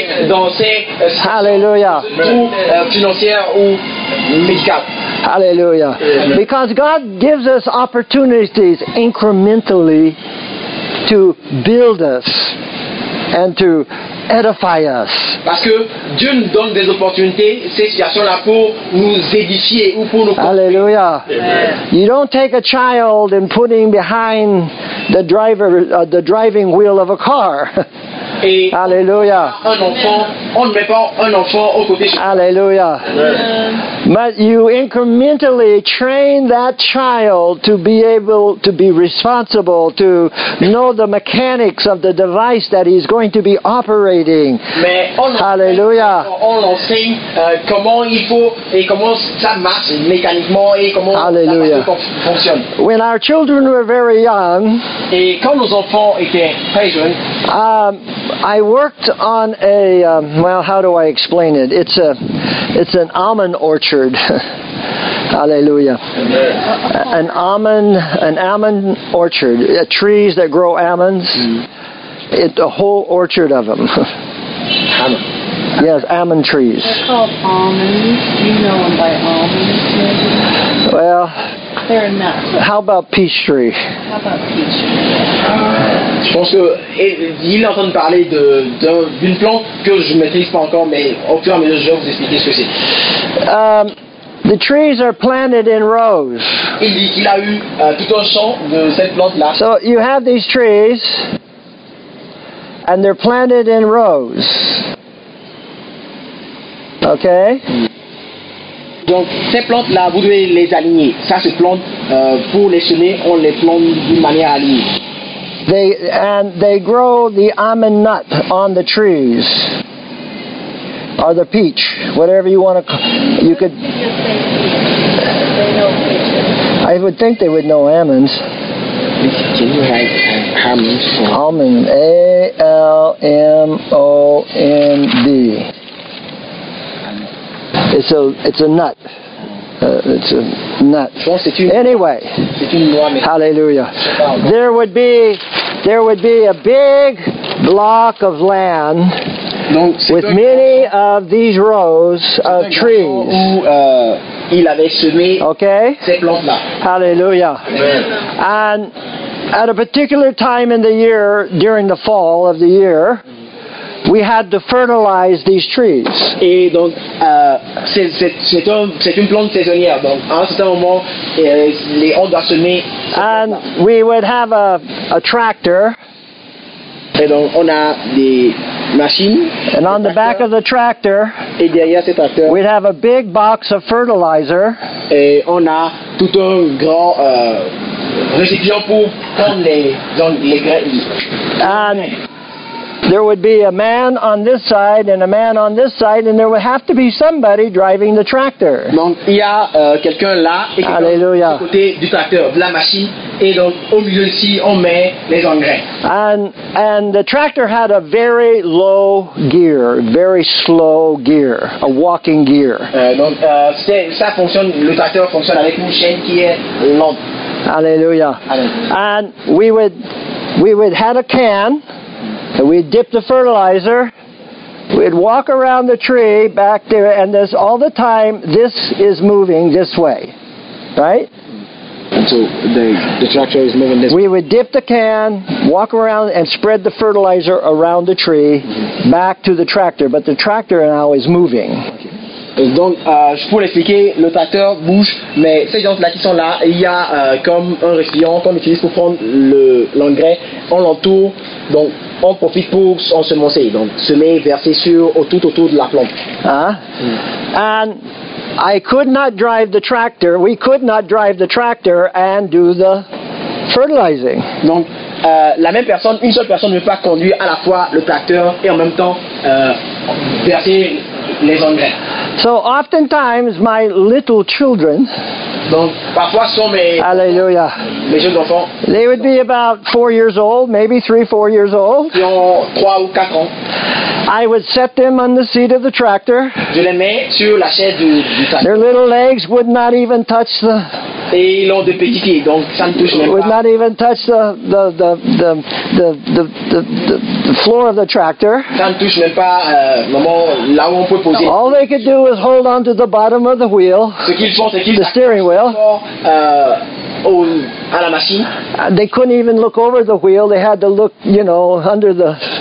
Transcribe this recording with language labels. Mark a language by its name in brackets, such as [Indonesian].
[French] Dans ces alléluia. Financière ou médicale. Alléluia. [English] Because God gives us opportunities incrementally to build us and to edify us. [French] Parce que Dieu nous donne des opportunités, ces situations-là, pour nous édifier ou pour nous. Alléluia. [English] You don't take a child and put him behind the driver, the driving wheel of a car. Alléluia. [French] On ne met pas un enfant au côté. Alléluia. [English] But you incrementally train that child to be able to be responsible, to know the mechanics of the device that he's going to be operating. Alléluia. [French] On enseigne comment il faut et comment ça marche mécaniquement et comment hallelujah. Ça fonctionne. [English] When our children were very young, [French] et quand nos enfants étaient très jeunes, [English] I worked on a how do I explain it? It's an almond orchard. Hallelujah. An almond orchard. Trees that grow almonds. Mm. It's a whole orchard of them. Almond. Yes, almond trees. They're called almonds. You know them by almonds. Well. They're nuts. How about peach tree? How about peach tree? [French] Je pense que il est en train de parler d'une plante que je ne maîtrise pas encore, mais au fur et à mesure, je vais vous expliquer ce que c'est. [English] The trees are planted in rows. [French] Il dit qu'il a eu tout un champ de cette plante-là. [English] So you have these trees, and they're planted in rows. Okay. [French] Donc ces plantes-là, vous devez les aligner. Ça se plante pour les semer, on les plante d'une manière alignée. [English] They grow the almond nut on the trees, or the peach, whatever you want to call. You could. I would think they would know almonds. Can you write almonds? Almond. A L M O N D. It's a nut. It's a nut. Anyway. Hallelujah. There would be a big block of land with many of these rows of trees. [French] Il avait semé [English] okay. [French] Ces plantes-là. Hallelujah. [English] And at a particular time in the year, during the fall of the year, we had to fertilize these trees. [French] Et donc, c'est une plante saisonnière. Donc, à un certain moment, on doit semer. [English] And we would have a tractor. [French] Et donc, on a des machines. [English] And on the back of the tractor, [French] et derrière ces tracteurs, [English] we'd have a big box of fertilizer. [French] Et on a tout un grand récipient pour prendre les graines. [English] And there would be a man on this side and a man on this side, and there would have to be somebody driving the tractor. [French] Donc il y a quelqu'un là et quelqu'un du côté du tracteur, de la machine, et donc au milieu ici on met les engrais. [English] And the tractor had a very low gear, very slow gear, a walking gear. [French] Le tracteur fonctionne avec une chaîne qui est lente. [English] Alléluia. And we would have a can. And we'd dip the fertilizer, we'd walk around the tree back there, and this all the time this is moving this way. Right? And so the tractor is moving this way. We would dip the can, walk around and spread the fertilizer around the tree back to the tractor, but the tractor now is moving. [French] Donc, je pourrais expliquer, le tracteur bouge, mais ces gens-là qui sont là, il y a comme un récipient qu'on utilise pour prendre l'engrais, on l'entoure, donc on profite pour ensemencer, donc semer, verser sur, tout autour de la plante. [English] Ah. And I could not drive the tractor, we could not drive the tractor and do the fertilizing. [French] Donc, la même personne, une seule personne ne peut pas conduire à la fois le tracteur et en même temps verser les engrais. [English] So oftentimes my little children, [French] donc parfois sont Alléluia, mes jeunes enfants, [English] they would be about 4 years old, maybe 3-4 years old, [French] qui ont 3 ou 4 ans. [English] I would set them on the seat of the tractor. [French] Je les mets sur la chaise du tracteur. [English] Their little legs would not even touch the. [French] Et ils ont de petits pieds, donc ça ne touche même pas. [English] Would not even touch the floor of the tractor. [French] Ça ne touche même pas vraiment là où on peut poser. [English] All they could do is hold on to the bottom of the wheel. [French] Ce qu'ils font, c'est qu'ils [English] the steering wheel. [French] À la machine. [English] They couldn't even look over the wheel. They had to look, you know, under the.